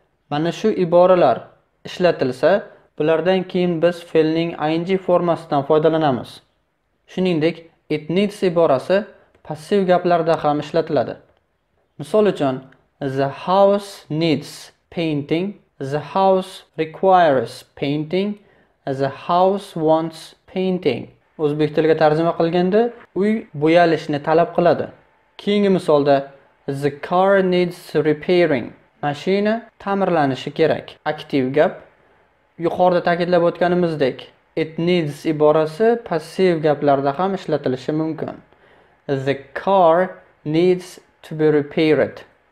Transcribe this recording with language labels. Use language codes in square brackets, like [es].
[uz] Mana shu iboralar ishlatilsa, bulardan keyin biz fe'lning ing formasidan foydalanamiz. Shuningdek, it needs iborasi passiv gaplarda ham ishlatiladi. Misol uchun, [en] the house needs painting, the house requires painting, the house wants painting. [uz] O'zbek tiliga tarjima qilganda, uy bo'yalishni talab qiladi. Keyingi misolda, [en] the car needs repairing. [uz] Mashina ta'mirlanishi kerak. Aktiv gap. Yuqorida ta'kidlab o'tganimizdek, it needs iborasi passiv gaplarda ham ishlatilishi mumkin. [en] The car needs to be repaired.